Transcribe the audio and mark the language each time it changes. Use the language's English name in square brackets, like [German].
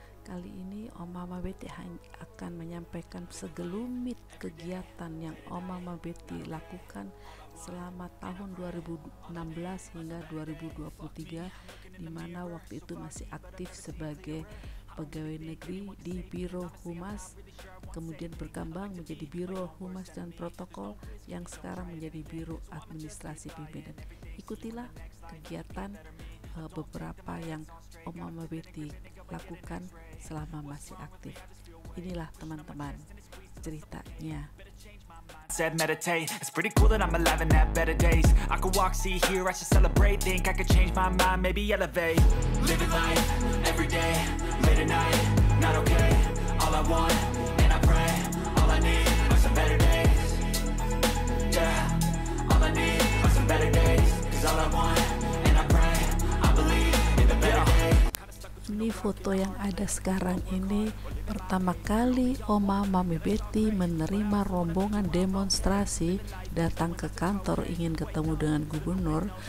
[Indonesian] Kali ini Om Mama Betty akan menyampaikan segelumit kegiatan yang Om Mama Betty lakukan selama tahun 2016 hingga 2023, di mana waktu itu masih aktif sebagai pegawai negeri di Biro Humas, kemudian berkembang menjadi Biro Humas dan Protokol yang sekarang menjadi Biro Administrasi Pimpinan. Ikutilah kegiatan beberapa yang Om Mama Betty lakukan selama masih aktif. Inilah teman-teman ceritanya. [English] Said meditate, it's pretty cool that I'm alive and have better days. I could walk, see, hear, I should celebrate. Think I could change my mind, maybe elevate. Living life, every day, late at night, not okay. All I want, and I pray, all I need are some better days. Yeah, all I need are some better days. Cause all I want, and I pray, I believe in the better days. [Indonesian] Ini foto yang ada sekarang ini pertama kali Oma Mami Betty menerima rombongan demonstrasi datang ke kantor ingin ketemu dengan gubernur.